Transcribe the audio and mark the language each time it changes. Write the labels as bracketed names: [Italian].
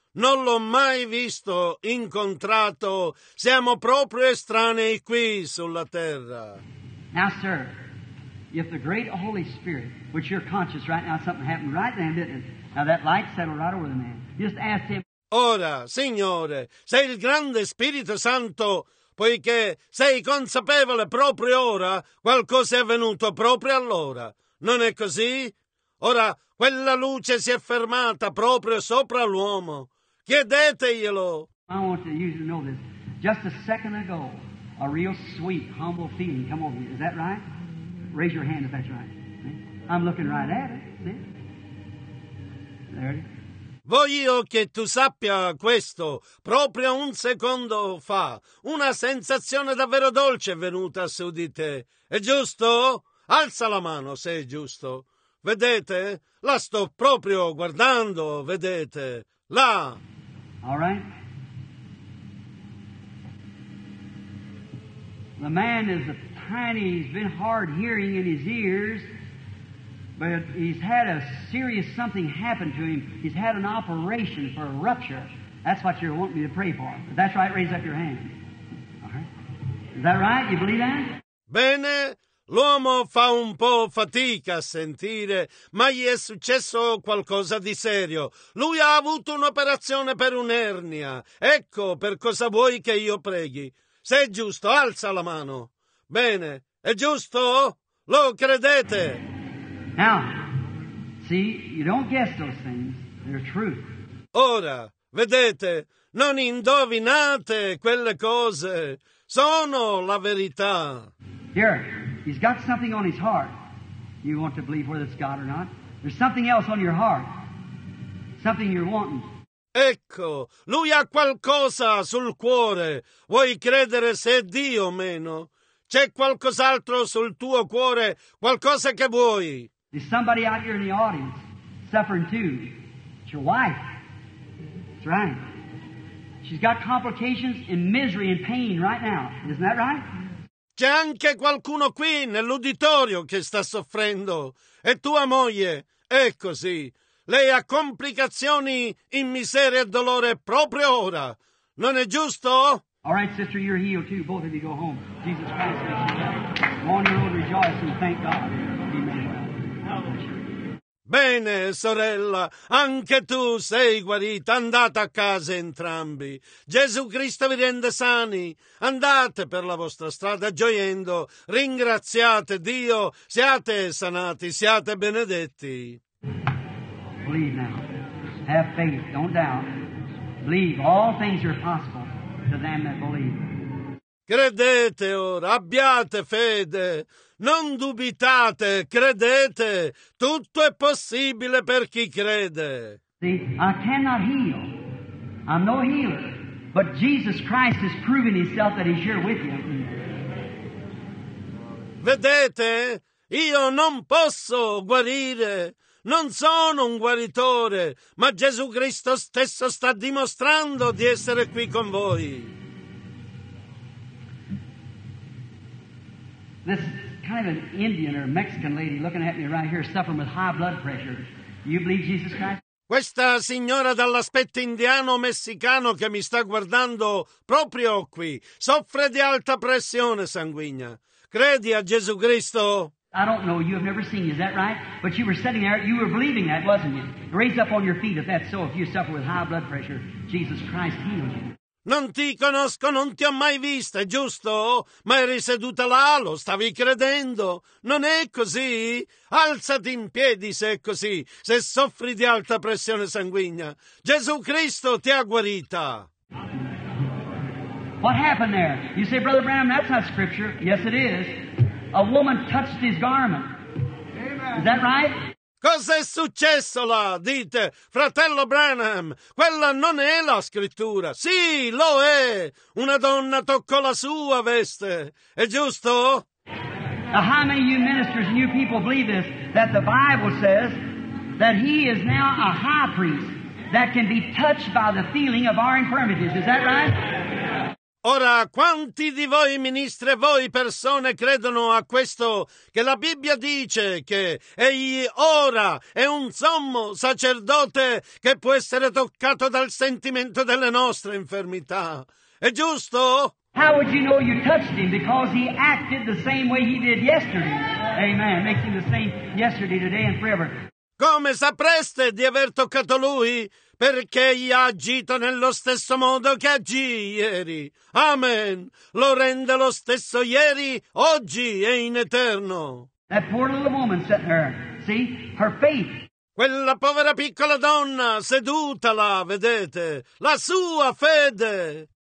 [Italian] Non l'ho mai visto, incontrato. Siamo proprio estranei qui sulla terra. [English] Now, sir, if the great Holy Spirit, which you're conscious right now, something happened right then, didn't it? Now that light settled right over the man. Just ask him. [Italian] Ora, Signore, sei il grande Spirito Santo, poiché sei consapevole proprio ora, qualcosa è avvenuto proprio allora. Non è così? Ora, quella luce si è fermata proprio sopra l'uomo. Chiedeteglielo. [English] I want you to know this. Just a second ago, a real sweet, humble feeling come over me. Is that right? Raise your hand if that's right. See? I'm looking right at it. See? There it is. [Italian] Voglio che tu sappia questo. Proprio un secondo fa, una sensazione davvero dolce è venuta su di te. È giusto? Alza la mano se è giusto. Vedete? La sto proprio guardando, vedete? Là! [English] All right. The man is a tiny, he's been hard hearing in his ears, but he's had a serious something happen to him. He's had an operation for a rupture. That's what you want me to pray for. If that's right, raise up your hand. All right. Is that right? You believe that? [Italian] Bene! L'uomo fa un po' fatica a sentire, ma gli è successo qualcosa di serio. Lui ha avuto un'operazione per un'ernia. Ecco per cosa vuoi che io preghi. Se è giusto, alza la mano. Bene, è giusto? Lo credete? [English] Now, see, you don't guess those things. They're true. [Italian] Ora, vedete, non indovinate quelle cose. Sono la verità. [English] Here. He's got something on his heart. You want to believe whether it's God or not? There's something else on your heart. Something you're wanting. [Italian] Ecco, lui ha qualcosa sul cuore. Vuoi credere se è Dio o meno? C'è qualcos'altro sul tuo cuore? Qualcosa che vuoi? [English] There's somebody out here in the audience suffering too. It's your wife. That's right. She's got complications and misery and pain right now. Isn't that right? [Italian] C'è anche qualcuno qui nell'uditorio che sta soffrendo. È tua moglie. È così. Lei ha complicazioni in miseria e dolore proprio ora. Non è giusto? [English] All right, sister, you're healed too. Both of you go home. Jesus Christ. Go on your own, rejoice and thank God. Amen. [Italian] Bene, sorella, anche tu sei guarita. Andate a casa entrambi. Gesù Cristo vi rende sani. Andate per la vostra strada gioiendo. Ringraziate Dio. Siate sanati, siate benedetti. [English] Believe now. Have faith, don't doubt. Believe, all things are possible to them that believe. [Italian] Credete ora, abbiate fede. Non dubitate, credete. Tutto è possibile per chi crede. [English] See, I cannot heal. I'm no healer. But Jesus Christ has proven himself that he's here with you. [Italian] Vedete? Io non posso guarire. Non sono un guaritore. Ma Gesù Cristo stesso sta dimostrando di essere qui con voi. [English] This kind of an Indian or Mexican lady looking at me right here suffering with high blood pressure. You believe Jesus Christ? [Italian] Questa signora dall'aspetto indiano messicano che mi sta guardando proprio qui soffre di alta pressione sanguigna. Credi a Gesù Cristo? [English] I don't know. You have never seen. Is that right? But you were sitting there. You were believing that, wasn't you? Raise up on your feet if that's so. If you suffer with high blood pressure, Jesus Christ heals you. [Italian] Non ti conosco, non ti ho mai vista, è giusto? Ma eri seduta là, lo stavi credendo. Non è così? Alzati in piedi se è così, se soffri di alta pressione sanguigna. Gesù Cristo ti ha guarita. [English] What happened there? You say, Brother Branham, that's not scripture. Yes, it is. A woman touched his garment. Is that right? [Italian] Cosa è successo là? Dite, fratello Branham, quella non è la scrittura. Sì, lo è. Una donna toccò la sua veste. È giusto? [English] Now, how many of you ministers and you people believe this, that the Bible says that he is now a high priest that can be touched by the feeling of our infirmities? Is that right? [Italian] Ora, quanti di voi ministri, voi persone, credono a questo che la Bibbia dice che egli ora è un sommo sacerdote che può essere toccato dal sentimento delle nostre infermità? È giusto? [English] How would you know you touched him? Because he acted the same way he did yesterday. Amen. Makes him the same yesterday, today and forever. [Italian] Come sapreste di aver toccato lui? Perché egli ha agito nello stesso modo che agì ieri. Amen. Lo rende lo stesso ieri, oggi e in eterno. [English] That poor little woman sitting there, see, her faith. [Italian] Quella povera piccola donna seduta là, vedete, la sua fede.